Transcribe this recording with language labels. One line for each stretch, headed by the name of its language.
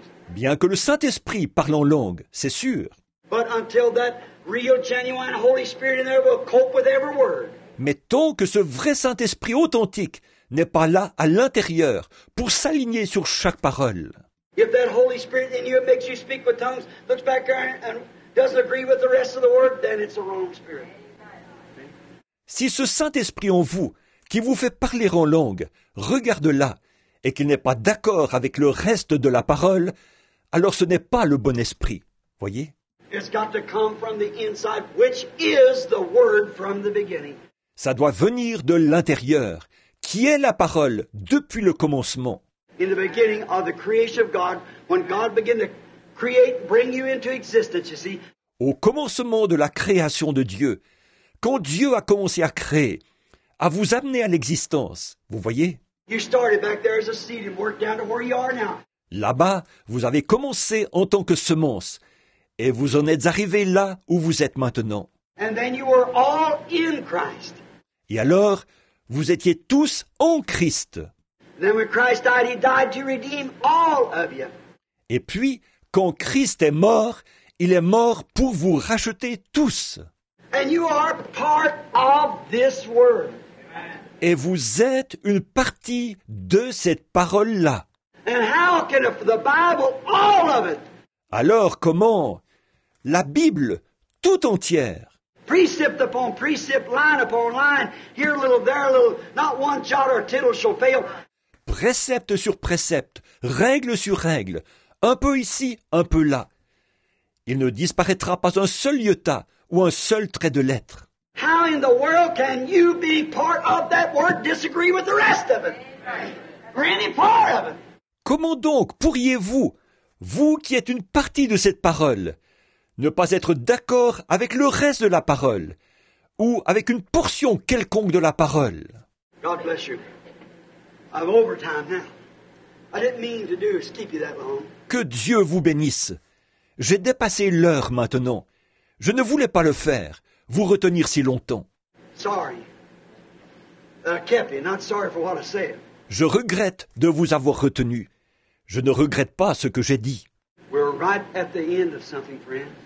French: Bien que le Saint-Esprit parle en langue, c'est sûr.
English: But until that real, genuine Holy Spirit in there will cope with every word.
French: Mais tant que ce vrai Saint-Esprit authentique n'est pas là à l'intérieur pour s'aligner sur chaque parole.
English: If that Holy Spirit in you makes you speak with tongues, looks back there and doesn't agree with the rest of the word, then it's a wrong spirit.
French: Si ce Saint-Esprit en vous, qui vous fait parler en langue, regarde là et qu'il n'est pas d'accord avec le reste de la parole, alors ce n'est pas le bon esprit, voyez?
English: It's got to come from the inside, which is the word from the beginning.
French: Ça doit venir de l'intérieur, qui est la parole depuis le commencement.
English: In the beginning of the creation of God, when God began to create, bring you into existence, you see.
French: Au commencement de la création de Dieu, quand Dieu a commencé à créer, à vous amener à l'existence, vous voyez.
English: You started back there as a seed and worked down to where you are now.
French: Là-bas, vous avez commencé en tant que semence. Et vous en êtes arrivé là où vous êtes maintenant.
English: And then you were all in Christ.
French: Et alors, vous étiez tous en Christ.
English: Then when Christ died, he died to redeem all of you.
French: Et puis, quand Christ est mort, il est mort pour vous racheter tous.
English: And you are part of this word.
French: Et vous êtes une partie de cette parole-là.
English: And how can the Bible, all of it,
French: alors comment la Bible tout entière,
English: precept upon precept, line upon line, here a little, there a little, not one jot or tittle shall fail.
French: Précepte sur précepte, règle sur règle, un peu ici, un peu là. Il ne disparaîtra pas un seul iota ou un seul trait de lettre.
English: How in the world can you be part of that word, disagree with the rest of it? Or any part of it?
French: Comment donc pourriez-vous, vous qui êtes une partie de cette parole, ne pas être d'accord avec le reste de la parole ou avec une portion quelconque de la parole?
English: God bless you. I'm over time now. I didn't mean to do is keep you that long.
French: Que Dieu vous bénisse. J'ai dépassé l'heure maintenant. Je ne voulais pas le faire, vous retenir si longtemps.
English: Sorry. I kept you. Not sorry for what I said.
French: Je regrette de vous avoir retenu. Je ne regrette pas ce que j'ai dit.
English: We're right at the end of something, friend.